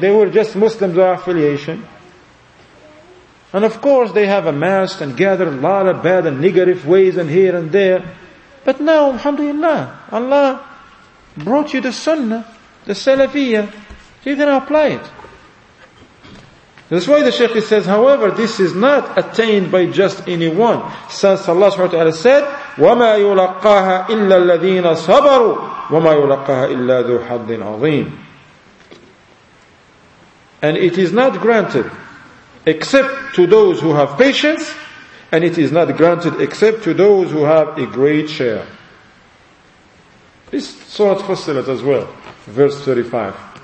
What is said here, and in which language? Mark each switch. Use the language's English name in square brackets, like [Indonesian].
[English] They were just Muslims of affiliation. And of course they have amassed and gathered a lot of bad and negative ways and here and there. But now, alhamdulillah, Allah brought you the Sunnah, the Salafiyya. You can apply it. That's why the Shaykh says, however, this is not attained by just anyone. Since Allah subhanahu wa ta'ala said, [Arabic] وَمَا يُلَقَّاهَا إِلَّا الَّذِينَ صَبَرُوا وَمَا يُلَقَّاهَا إِلَّا ذُو حَظٍّ عَظِيمٍ. [English] And it is not granted except to those who have patience, and it is not granted except to those who have a great share. This Surah Fussilat as well, verse 35.